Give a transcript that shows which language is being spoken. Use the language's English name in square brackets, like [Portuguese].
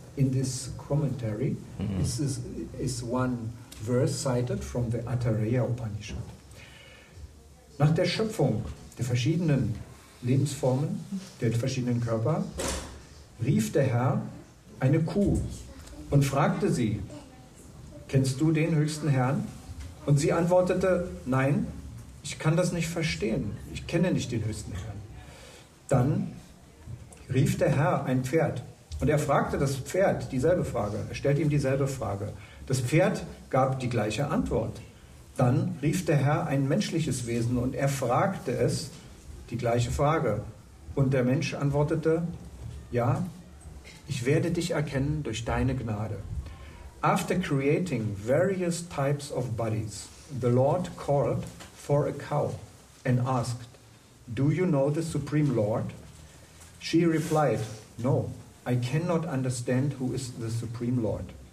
[English] in this commentary, this is one verse cited from the Atharva Upanishad. [German] Nach der Schöpfung der verschiedenen Lebensformen, der verschiedenen Körper, rief der Herr eine Kuh und fragte sie: Kennst du den höchsten Herrn? Und sie antwortete: Nein, ich kann das nicht verstehen. Ich kenne nicht den höchsten Herrn. Dann rief der Herr ein Pferd und er fragte das Pferd dieselbe Frage. Er stellte ihm dieselbe Frage. Das Pferd gab die gleiche Antwort. Dann rief der Herr ein menschliches Wesen und er fragte es die gleiche Frage. Und der Mensch antwortete: Ja, ich werde dich erkennen durch deine Gnade. [English] After creating various types of bodies, the Lord called for a cow and asked, Do you know the Supreme Lord? She replied, No, I cannot understand who is the Supreme Lord.